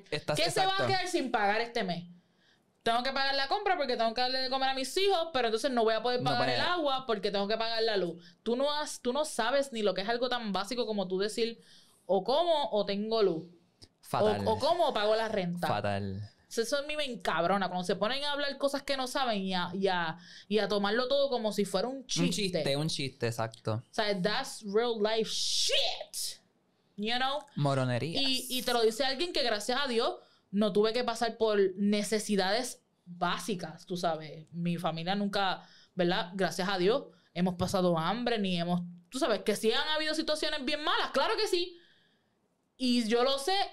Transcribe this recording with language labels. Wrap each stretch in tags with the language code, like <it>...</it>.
<es>¿Qué se va a quedar sin pagar este mes? Tengo que pagar la compra porque tengo que darle de comer a mis hijos, pero entonces no voy a poder pagar el agua porque tengo que pagar la luz. Tú no sabes ni lo que es algo tan básico como tú decir, o como o tengo luz. Fatal. O como o pago la renta. Fatal. Eso a mí me encabrona. Cuando se ponen a hablar cosas que no saben y a tomarlo todo como si fuera un chiste. Un chiste, exacto. O sea,</es> <en>that's real life shit. You know?</en> <es>Moronería. Y te lo dice alguien que, gracias a Dios, no tuve que pasar por necesidades básicas, tú sabes. Mi familia nunca, ¿verdad? Gracias a Dios, hemos pasado hambre ni hemos... Tú sabes, que sí han habido situaciones bien malas. ¡Claro que sí! Y yo lo sé.</es>